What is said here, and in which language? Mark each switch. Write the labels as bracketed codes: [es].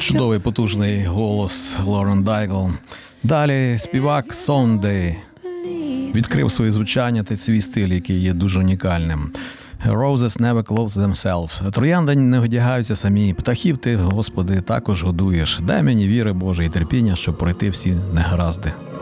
[uk] Чудовий, потужний голос Лорен Дайгл. Далі співак Сондей відкрив своє звучання та свій стиль, який є дуже унікальним. [en] Roses never close themselves. [uk] Троянди не одягаються самі. Птахів ти, Господи, також годуєш. Дай мені віри Божі і терпіння, щоб пройти всі негаразди.